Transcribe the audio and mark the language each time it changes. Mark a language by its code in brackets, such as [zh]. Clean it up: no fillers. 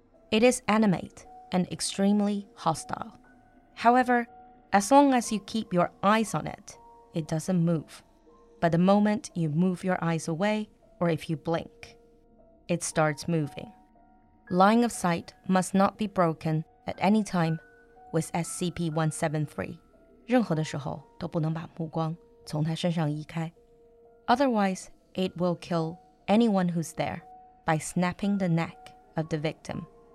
[en] It is animate and extremely hostile. However, as long as you keep your eyes on it, it doesn't move. But the moment you move your eyes away, or if you blink, it starts moving. Line of sight must not be broken at any time with SCP-173. [zh] 任何的时候都不能把目光从他身上移开. [en] Otherwise, it will kill anyone who's there by snapping the neck of the victim.